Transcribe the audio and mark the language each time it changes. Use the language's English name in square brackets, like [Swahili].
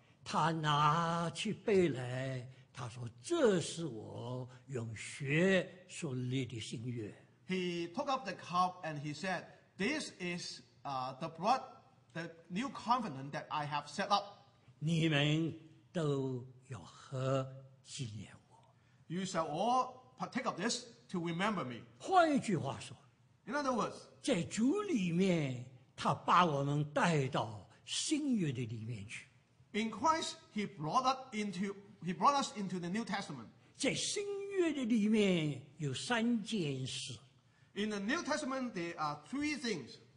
[Chinese] 他拿起杯来他说这是我用血所立的新约。 [English] He took up the cup and he said, "This is the blood, the new covenant that I have set up." [Chinese] 你们都要喝纪念我。 [English] You shall all partake of this to remember me. [Chinese] 换一句话说 [English] ，In other words, [Chinese] 在主里面，他把我们带到新约的里面去。 [English] In Christ, he brought us into the New Testament. [Chinese] 在新约的里面有三件事。 [English] In the New Testament, there are three things.